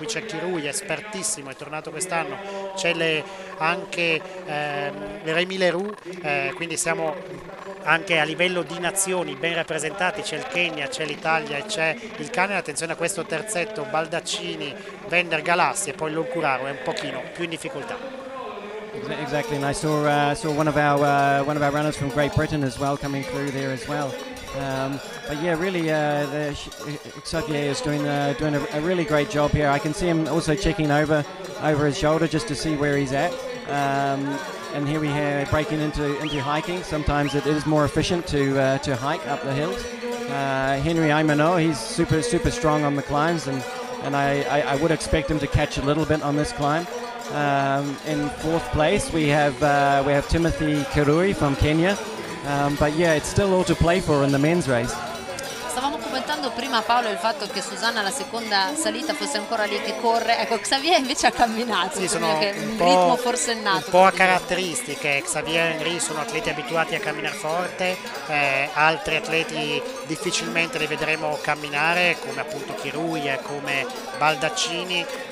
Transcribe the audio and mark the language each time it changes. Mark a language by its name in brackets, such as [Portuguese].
[Italian] Qui c'è Chirui, espertissimo, è tornato quest'anno, c'è anche Rémi Leroux, quindi siamo anche a livello di nazioni ben rappresentati. C'è il Kenya, c'è l'Italia e c'è il Canada. Attenzione a questo terzetto: Baldaccini, Wender, Galassi e poi Lolcuraru è un pochino più in difficoltà. [English] Exactly, and I saw one of our runners from Great Britain as well coming through there as well. But yeah, really, Xavier is doing a really great job here. I can see him also checking over his shoulder just to see where he's at. And here we have breaking into hiking. Sometimes it is more efficient to hike up the hills. Henri Aimonò, he's super super strong on the climbs, and I would expect him to catch a little bit on this climb. In fourth place we have Timothy Kirui from Kenya. But yeah, it's still all to play for in the men's race. [Italian] Stavamo commentando prima, Paolo, il fatto che Susanna la seconda salita fosse ancora lì che corre. Ecco, Xavier invece ha camminato. Sì, sono un po' ritmo forse nato. Un po' a caratteristiche. Xavier e Henri sono atleti abituati a camminare forte, altri atleti difficilmente li vedremo camminare, come appunto Chirui, come Baldaccini.